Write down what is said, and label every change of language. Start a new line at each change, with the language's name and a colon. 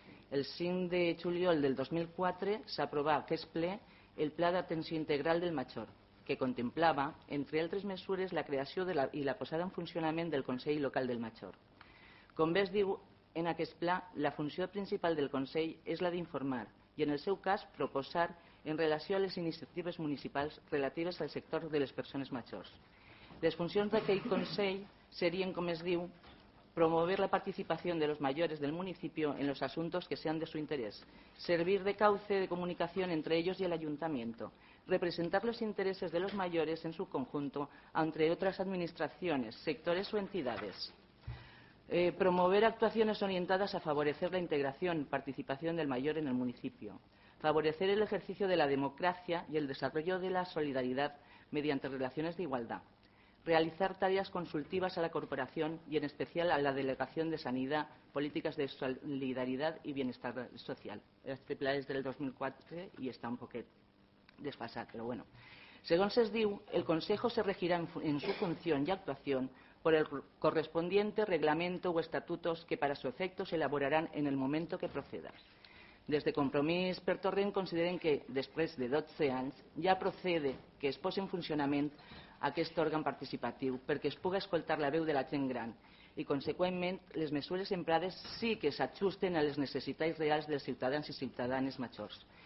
Catalan: El 5 de juliol del 2004 s'aprovà aquest ple el Pla d'Atenció Integral del Major, que contemplava, entre altres mesures, la creació de la posada en funcionament del Consell Local del Major. Com bé es diu en aquest pla, la funció principal del Consell és la d'informar i, en el seu cas, proposar en relació a les iniciatives municipals relatives al sector de les persones majors. Les funcions d'aquell Consell serien, com es diu,
Spanish: promover la participació de los mayores del municipio en los asuntos que sean de su interés, servir de cauce de comunicación entre ellos y el ayuntamiento, representar los intereses de los mayores en su conjunto entre otras administraciones, sectores o entidades, promover actuaciones orientadas a favorecer la integración y participación del mayor en el municipio, favorecer el ejercicio de la democracia y el desarrollo de la solidaridad mediante relaciones de igualdad, realizar tareas consultivas a la corporación y en especial a la Delegación de Sanidad, Políticas de Solidaridad y Bienestar Social.
Catalan: Este pla és del 2004 i està un poquet desfasat, però bueno. Segons es diu,
Spanish: el Consejo se regirà en su función y actuación por el correspondiente reglamento o estatutos que para su efecto se elaborarán en el momento que proceda.
Catalan: Des de Compromís per Torrent consideren que, després de 12 anys, ja procede que es posi en funcionament aquest òrgan participatiu perquè es pugui escoltar la veu de la gent gran i, conseqüentment, les mesures emprades sí que s'ajusten a les necessitats reals dels ciutadans i ciutadanes majors.